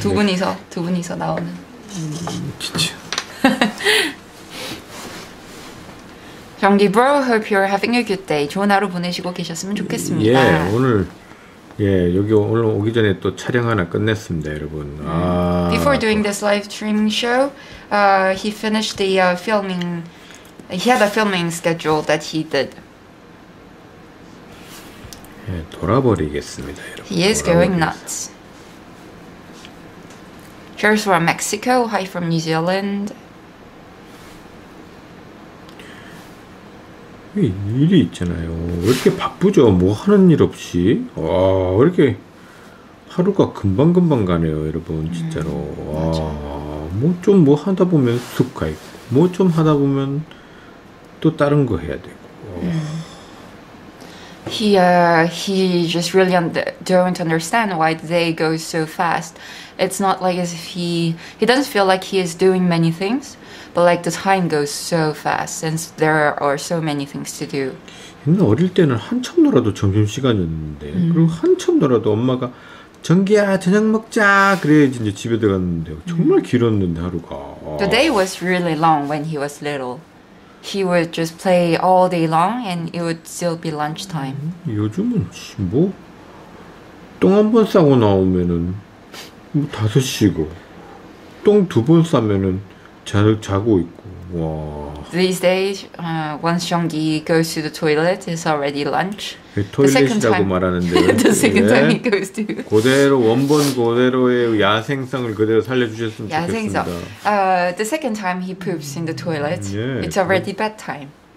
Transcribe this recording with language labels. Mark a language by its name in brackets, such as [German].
[Korean] 두 분이서, 두 분이서 나오는. 진짜. [English] Jeongi bro, hope you're having a good day. [Korean] 좋은 하루 보내시고 계셨으면 좋겠습니다. 예, 오늘. 예, 여기 오늘 오기 전에 또 촬영 하나 끝냈습니다, 여러분. 아, [English] Before doing this live streaming show, he finished the filming. He had a filming schedule that he did. [Korean] 예, 돌아버리겠습니다, 여러분. [English] He is going nuts. Cheers from Mexico. Hi from New Zealand. [Korean] 일이 있잖아요. 왜 이렇게 바쁘죠? 뭐 하는 일 없이? 와, 왜 이렇게 하루가 금방금방 가네요, 여러분. 진짜로. 와, 뭐 좀 뭐 하다 보면 쑥 가 있고, 뭐 좀 하다 보면 또 다른 거 해야 되고. [English] He just really don't understand why they go so fast. It's not like as if he doesn't feel like he is doing many things. But like the time goes so fast since there are so many things to do. [Korean] 옛날 어릴 때는 한참 놀아도 점심 시간이었는데 그리고 한참 놀아도 엄마가 정기야 저녁 먹자 그래야지 이제 집에 들어갔는데 정말 길었는데 하루가. [English] The day was really long when he was little. He would just play all day long and it would still be lunch time. [Korean] 요즘은 뭐 똥 한 번 싸고 나오면은 뭐 다섯 시고 똥 두 번 싸면은 자고 있고. 와. [English] These days, once Jeongi goes to the toilet, it's already lunch. [Korean] 예, 토일렛이라고 말하는데. [English] The second time he goes to. [Korean] 그대로 원본 그대로의 야생성을 그대로 살려주셨으면 야생성. 좋겠습니다. [English] The second time he poops in the toilet, [Korean] 예, [English] it's already bedtime.